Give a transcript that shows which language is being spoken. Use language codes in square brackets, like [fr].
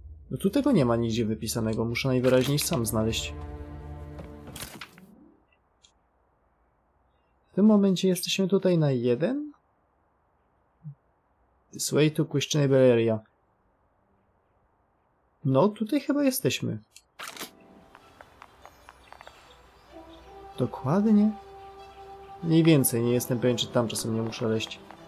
[pl] No tu tego nie ma nigdzie wypisanego. Muszę najwyraźniej sam znaleźć. W tym momencie jesteśmy tutaj na jeden? [en] This way to questionable area. [pl] No, tutaj chyba jesteśmy. Dokładnie. Mniej więcej, nie jestem pewien, czy tam czasem nie muszę leźć.